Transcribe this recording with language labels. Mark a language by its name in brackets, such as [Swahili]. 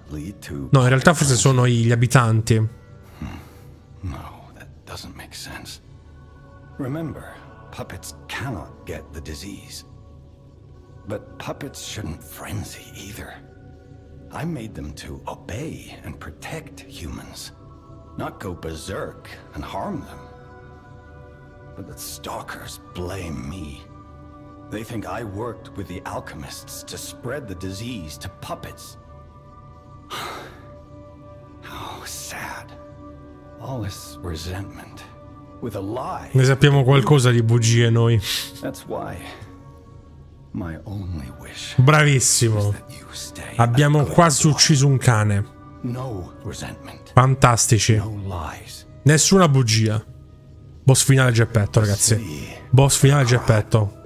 [Italian] No, in realtà forse sono gli abitanti. [English] No, that doesn't make sense. Remember, puppets cannot get the disease. But puppets shouldn't frenzy either. I made them to obey and protect humans, not go berserk and harm them. But the stalkers blame me. They think I worked with the alchemists to spread the disease to puppets. How sad. All this resentment with a lie. [Italian] Ne sappiamo qualcosa di bugie noi. [English] That's why my only wish. [Italian] Bravissimo. Abbiamo quasi ucciso un cane. [English] No resentment. [Italian] Fantastici. [English] No lies. [Italian] Nessuna bugia. Boss finale Geppetto, ragazzi. Boss finale Geppetto.